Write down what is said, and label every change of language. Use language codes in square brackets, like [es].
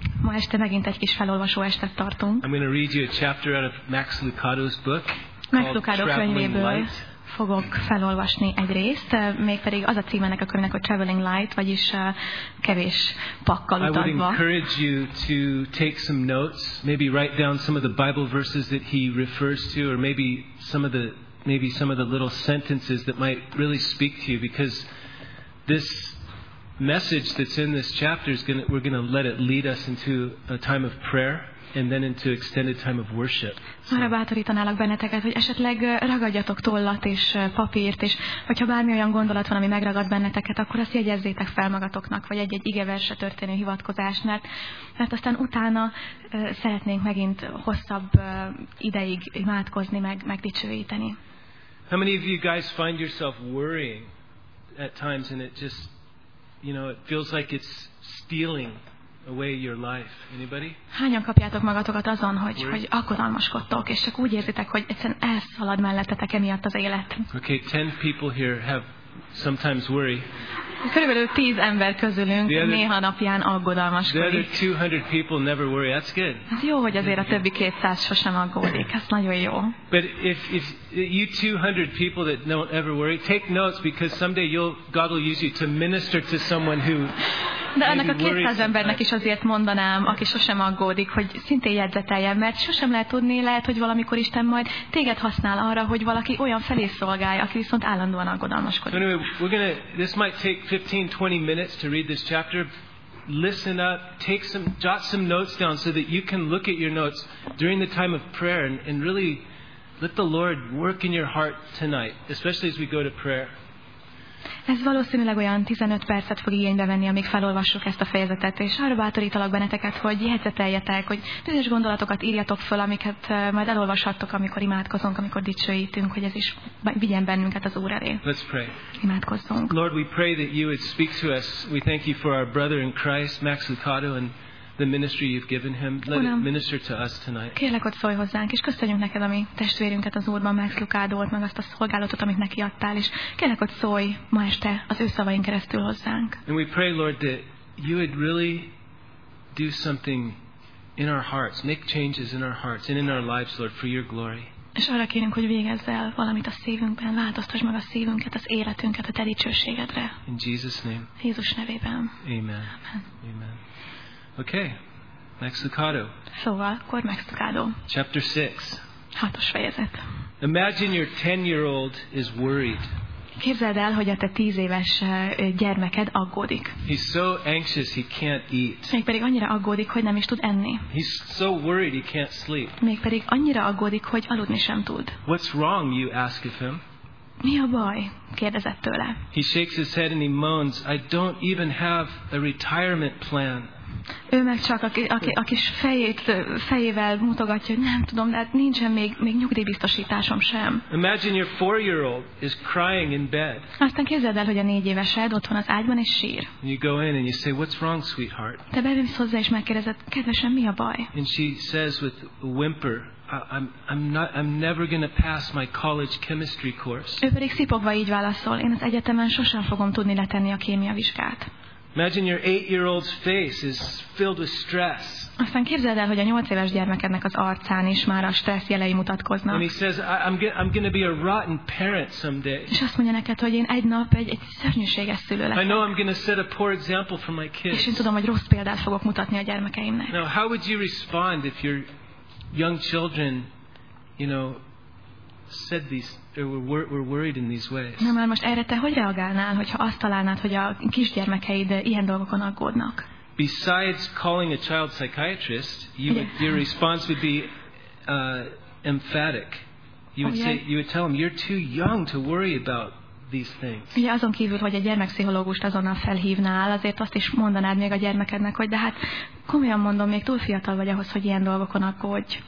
[hu] Ma este megint egy kis felolvasó estet tartunk. [en] I'm going to read you a chapter out of Max Lucado's book. [hu] Max Lucado könyvéből fogok felolvasni egy részt, mégpedig az a cím ennek a könyvnek, hogy Traveling Light, vagyis kevés pakkal utazva. [en] I would encourage you to take some notes, maybe write down some of the Bible verses that he refers to, or maybe some of the little sentences that might really speak to you, because this message that's in this chapter we're going to let it lead us into a time of prayer. And then into extended time of worship. [hu] Arra bátorítanálak benneteket, hogy esetleg ragadjatok tollat és papírt, és hogyha bármi olyan gondolat van, ami megragad benneteket, akkor azt jegyezzétek fel magatoknak, vagy egy-egy igeverse történő hivatkozás, mert aztán utána szeretnénk megint hosszabb ideig imádkozni, meg dicsőíteni. [en] How many of you guys find yourself worrying at times, and it just, you know, it feels like it's stealing away your life? Anybody? [hu] Hányan kapjátok magatokat azon, hogy aggodalmaskodtok, és csak úgy érzitek, hogy egyszerűen elszalad mellettetek emiatt az élet? [en] Okay, 10 people here have sometimes worry. [hu] Körülbelül 10 ember közülünk néha napján aggodalmaskodik. [en] The other 200 people never worry. That's good. [hu] Ez jó, hogy azért a többi 200 sosem aggódik. Ez nagyon jó. [en] But if you 200 people that don't ever worry, take notes, because someday God will use you to minister to someone who... [hu] De ennek a 200 embernek is azért mondanám, aki sosem aggódik, hogy szintén jegyzeteljen, mert sosem lehet tudni, lehet, hogy valamikor Isten majd téged használ arra, hogy valaki olyan felé szolgálja, aki viszont állandóan aggodalmaskodik. [en] Anyway, this might take 15-20 minutes to read this chapter. Listen up, jot some notes down so that you can look at your notes during the time of prayer and really let the Lord work in your heart tonight, especially as we go to prayer. [hu] Ez valószínűleg olyan 15 percet fog igénybe venni, amíg felolvassuk ezt a fejezetet, és arra bátorítalak benneteket, hogy jegyzeteljetek, hogy bizonyos gondolatokat írjatok föl, amiket majd elolvashattok, amikor imádkozunk, amikor dicsőítünk, hogy ez is vigyen bennünket az Úr elé. [en] Let's pray. [hu] Imádkozzunk. [en] Lord, we pray that you would speak to us. We thank you for our brother in Christ, Max Lucado, and the ministry you've given him. Let it minister to us tonight. [hu] Kérlek, hogy szólj hozzánk, és köszönjük neked a mi testvérünket az Úrban, Max Lucadót, meg azt a szolgálatot, amit neki adtál, és kérlek, hogy szólj ma este az ő szavain keresztül hozzánk. [en] And we pray, Lord, that you would really do something in our hearts, make changes in our hearts and in our lives, Lord, for your glory. [hu] És arra kérünk, hogy végezz el valamit a szívünkben, változtass meg a szívünket, az életünket, a te dicsőségedre. [en] In Jesus' name. [hu] Jézus nevében. [en] Amen. Amen. Okay, Max Lucado. [hu] Szóval, akkor Max Lucado. [en] Chapter 6. [hu] Hatos fejezet. [en] Imagine your 10-year-old is worried. [hu] Képzeld el, hogy a te 10 éves gyermeked aggódik. [en] He's so anxious he can't eat. [hu] Mégpedig annyira aggódik, hogy nem is tud enni. [en] He's so worried he can't sleep. [hu] Mégpedig annyira aggódik, hogy aludni sem tud. [en] What's wrong, you ask of him? [hu] Mi a baj? Kérdezett tőle. [en] He shakes his head and he moans, I don't even have a retirement plan. [hu] Ő meg csak a kis fejével mutogatja, hogy nem tudom, de nincsen még nyugdíjbiztosításom sem. [en] Imagine your 4-year-old is crying in bed. [hu] Aztán képzeld el, hogy a 4 évesed otthon az ágyban és sír. [en] You go in and you say, what's wrong, sweetheart? [hu] Te bevisz hozzá és megkérdezed, kedvesem, mi a baj? [en] And she says with a whimper, I'm never going to pass my college chemistry course. [hu] Ő pedig szipogva így válaszol, én az egyetemen sosem fogom tudni letenni a kémia vizsgát. [en] Imagine your 8-year-old's face is filled with stress. [hu] Aztán képzeld el, hogy a 8 éves gyermekednek az arcán is már a stressz jelei mutatkoznak. [en] And he says, I'm going to be a rotten parent someday. [hu] És azt mondja neked, hogy én egy nap egy szörnyűséges szülő leszek. [en] I know I'm going to set a poor example for my kids. [hu] És én tudom, hogy rossz példát fogok mutatni a gyermekeimnek. [en] Now, how would you respond if your young children, you know, said these? We're worried in these ways. [hu] Na már most erre te hogy reagálnál, hogyha azt találnád, hogy a kisgyermekeid ilyen dolgokon aggódnak? [en] Besides calling a child psychiatrist, your response would be emphatic. You would tell him you're too young to worry about these things. [hu] Ugye azon kívül, hogy a gyermekpszichológust azonnal felhívnál, azért azt is mondanád még a gyermekednek, hogy de hát komolyan mondom, még túl fiatal vagy ahhoz, hogy ilyen dolgokon aggódj.